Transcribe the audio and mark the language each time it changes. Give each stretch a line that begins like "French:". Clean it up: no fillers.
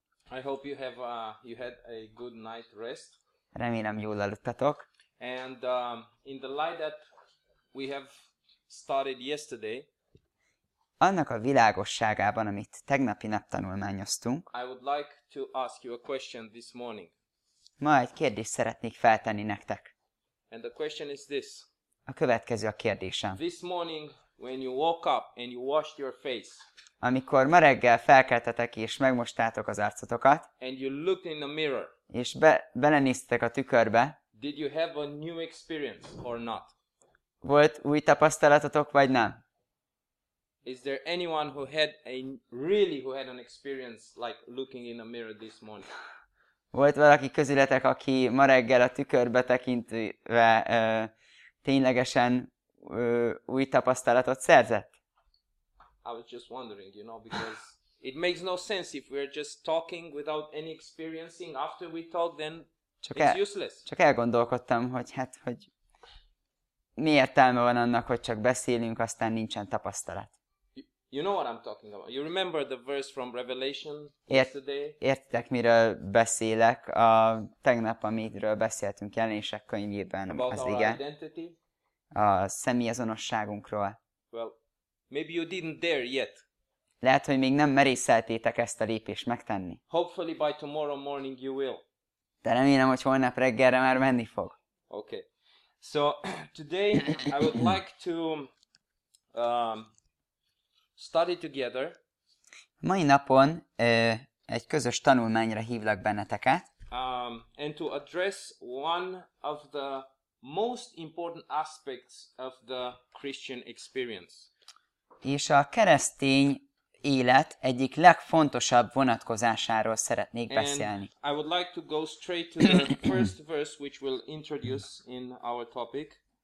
English: I hope you have you had a good night rest.
Hungarian: Remélem jól aludtatok.
English: And in the light that we have started yesterday,
Hungarian: annak a világosságában, amit tegnapi nap tanulmányoztunk,
English: I would like to ask you a question this morning.
Hungarian: Ma egy kérdést szeretnék feltenni nektek.
English: And the question is this.
Hungarian: A következő a kérdésem.
English: This morning when you woke up and you washed your face.
Hungarian: Amikor ma reggel felkeltetek és megmostátok az arcotokat.
English: And you looked in the mirror.
Hungarian: És belenéztetek a tükörbe.
English: Did you have a new experience or not?
Hungarian: Volt új tapasztalatotok vagy nem?
English: Is there anyone who had a really who had an experience like looking in the mirror this morning?
Hungarian: Volt valaki közületek, aki ma reggel a tükörbe tekintve ténylegesen új tapasztalatot szerzett?
English: I was just wondering, you know, because it makes no sense if we are just talking without any experiencing after we talk, then it's useless.
Hungarian: Csak elgondolkodtam, hogy hát, hogy mi értelme van annak, hogy csak beszélünk, aztán nincsen tapasztalat.
English: You know what I'm talking about. You remember the verse from Revelation yesterday?
Hungarian: Értitek, miről beszélek? A tegnap, amiről beszéltünk Jelenések könyvében,
English: about
Hungarian: az igen.
English: Identity?
Hungarian: A személyazonosságunkról.
English: Well, maybe you didn't dare yet.
Hungarian: Lehet, hogy még nem merészeltétek ezt a lépést megtenni.
English: Hopefully by tomorrow morning you will.
Hungarian: De remélem, hogy holnap reggelre már menni fog.
English: Okay. So, today I would like to study together.
Hungarian: Mai napon egy közös tanulmányra hívlak benneteket.
English: And to address one of the most important aspects of the Christian experience.
Hungarian: És a keresztény élet egyik legfontosabb vonatkozásáról szeretnék
English: and
Hungarian: beszélni.
English: I would like to go straight to the first verse which we'll introduce in our topic.